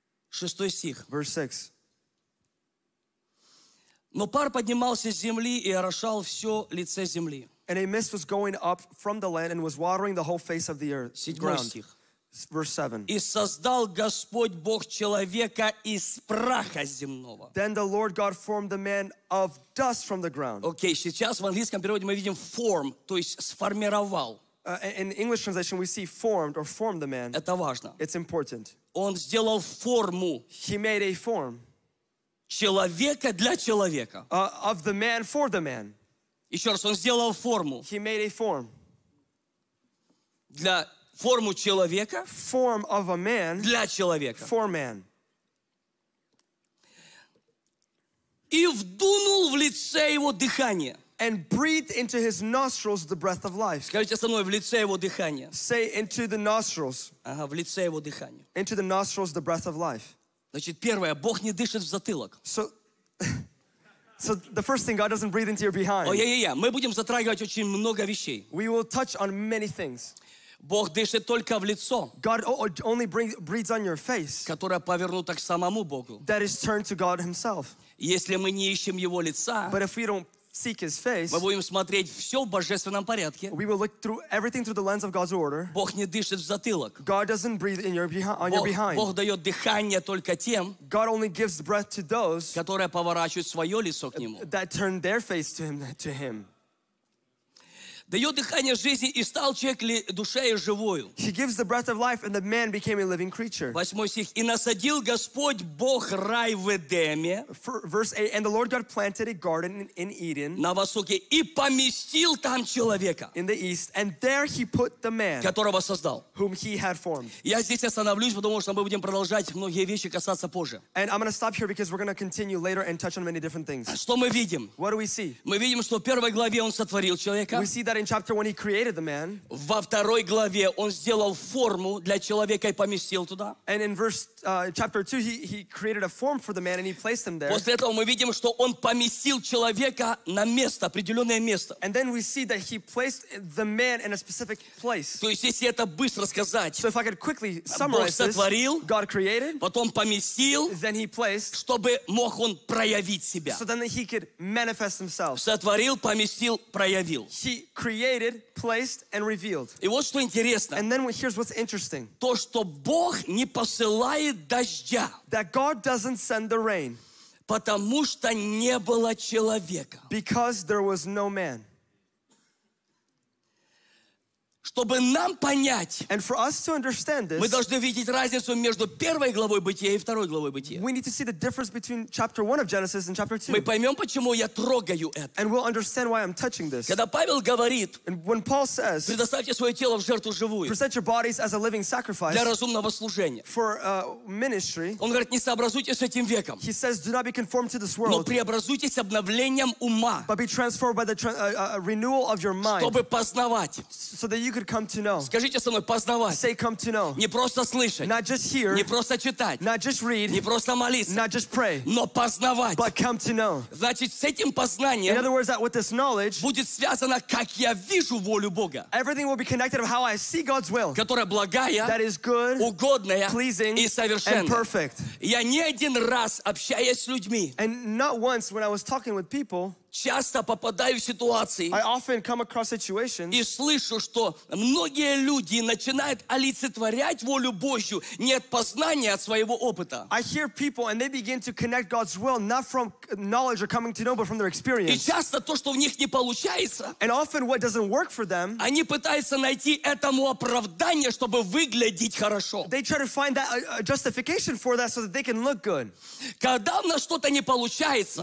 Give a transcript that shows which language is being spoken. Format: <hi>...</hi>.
<ru>Шестой стих.</ru> <en>Verse 6.</en> <ru>Но пар поднимался с земли и орошал все лице земли.</ru> <en>And a mist was going up from the land and was watering the whole face of the earth.</en> <ru>Седьмой стих.</ru> <en>Verse 7.</en> <ru>И создал Господь Бог человека из праха земного.</ru> <en>Then the Lord God formed the man of dust from the ground.</en> <ru>Окей, сейчас в английском переводе мы видим form, то есть сформировал.</ru> <en>In English translation we see formed or formed the man.</en> <ru>Это важно.</ru> <en>It's important.</en> <ru>Он сделал форму.</ru> <en>He made a form.</en> <ru>Человека для человека.</ru> <en>Of the man for the man.</en> <ru>Еще раз, он сделал форму.</ru> <en>He made a form.</en> <ru>Для форму человека.</ru> <en>Form of a man.</en> <ru>Для человека.</ru> <en>For man.</en> <ru>И вдунул в лице его дыхание.</ru> <en>And breathed into his nostrils the breath of life.</en> <ru>Скажите со мной, в лице его дыхание.</ru> <en>Say into the nostrils.</en> <ru>Ага, в лице его дыхание.</ru> <en>Into the nostrils the breath of life.</en> <ru>Значит, первое, Бог не дышит в затылок.</ru> <en>So the first thing, God doesn't breathe into your behind. Yeah.</en> <ru>Мы будем затрагивать очень много вещей.</ru> <en>We will touch on many things.</en> <ru>Бог дышит только в лицо.</ru> <en>God only breathes on your face.</en> <ru>Которое повернуто к самому Богу.</ru> <en>That is turned to God himself.</en> <ru>Если мы не ищем его лица,</ru> <en>but if we don't seek his face.</en> <ru>Мы будем смотреть все в божественном порядке.</ru> <en>We will look through everything through the lens of God's order.</en> <ru>Бог не дышит в затылок.</ru> <en>God doesn't breathe in your behind. Your behind.</en> <ru>Бог дает дыхание только тем,</ru> <en>God only gives breath to those,</en> <ru>которые поворачивают свое лицо к нему.</ru> <en>That turn their face to him.</en> <ru>Дает дыхание жизни и стал человек душею живою.</ru> <en>He gives the breath of life and the man became a living creature.</en> <ru>Восьмой стих. И насадил Господь Бог рай в Эдеме.</ru> <en>Verse 8. And the Lord God planted a garden in Eden.</en> <ru>На востоке. И поместил там человека.</ru> <en>In the east. And there he put the man.</en> <ru>Которого создал.</ru> <en>Whom he had formed.</en> <ru>Я здесь остановлюсь, потому что мы будем продолжать многие вещи касаться позже.</ru> <en>And I'm going to stop here because we're going to continue later and touch on many different things.</en> <ru>Что мы видим?</ru> <en>What do we see?</en> <ru>Мы видим, что в первой главе он сотворил человека.</ru> <en>We see that in chapter 1 he created the man.</en> <ru>Во второй главе он сделал форму для человека и поместил туда.</ru> <en>And in chapter 2 he created a form for the man and he placed him there.</en> <ru>После этого мы видим, что он поместил человека на место, определенное место.</ru> <en>And then we see that he placed the man in a specific place.</en> <ru>То есть если это быстро сказать,</ru> <en>so if I could quickly summarize</en> <ru>this, Бог сотворил,</ru> <en>God created,</en> <ru>потом поместил,</ru> <en>then he placed,</en> <ru>чтобы мог он проявить себя.</ru> <en>So then he could manifest himself.</en> <ru>Сотворил, поместил, проявил.</ru> <en>Created, placed, and revealed.</en> <ru>И вот что интересно.</ru> <en>And then here's what's interesting.</en> <ru>То, что Бог не посылает дождя.</ru> <en>That God doesn't send the rain.</en> <ru>Потому что не было человека.</ru> <en>Because there was no man.</en> <ru>Чтобы нам понять,</ru> <en>and for us to understand this,</en> <ru>мы должны видеть разницу между первой главой Бытия и второй главой Бытия.</ru> <en>We need to see the difference between chapter 1 of Genesis and chapter 2.</en> <ru>Мы поймем, почему я трогаю это.</ru> <en>And we'll understand why I'm touching this.</en> <ru>Когда Павел говорит,</ru> <en>and when Paul says,</en> <ru>предоставьте свое тело в жертву живую,</ru> <en>present your bodies as a living sacrifice,</en> <ru>для разумного служения,</ru> <en>for ministry,</en> <ru>он говорит, не сообразуйтесь с этим веком,</ru> <en>he says, do not be conformed to this world,</en> <ru>но преобразуйтесь обновлением ума,</ru> <en>but be transformed by the renewal of your mind,</en> <ru>чтобы познавать,</ru> <en>so that you could come to know.</en> <ru>Скажите со мной познавать.</ru> <en>Say come to know.</en> <ru>Не просто слышать.</ru> <en>Not just hear.</en> <ru>Не просто читать.</ru> <en>Not just read.</en> <ru>Не просто молиться.</ru> <en>Not just pray.</en> <ru>Но познавать.</ru> <en>But come to know.</en> <ru>Значит, с этим познанием.</ru> <en>In other words, that with this knowledge.</en> <ru>Будет связано, как я вижу волю Бога.</ru> <en>Everything will be connected of how I see God's will.</en> <ru>Которая благая.</ru> <en>That is good.</en> <ru>Угодная.</ru> <en>Pleasing.</en> <ru>И совершенная.</ru> <en>And perfect.</en> <ru>Я не один раз общаясь с людьми.</ru> <en>And not once when I was talking with people.</en> <ru>Часто попадаю в ситуации.</ru> <en>I often come across situations.</en> <ru>И слышу, что многие люди начинают олицетворять волю Божью не от познания, а от своего опыта.</ru> <en>I hear people and they begin to connect God's will not from knowledge or coming to know, but from their experience.</en> <ru>И часто то, что в них не получается.</ru> <en>And often what doesn't work for them.</en> <ru>Они пытаются найти этому оправдание, чтобы выглядеть хорошо.</ru> <en>They try to find that justification for that so that they can look good.</en> <ru>Когда у нас что-то не получается.</ru>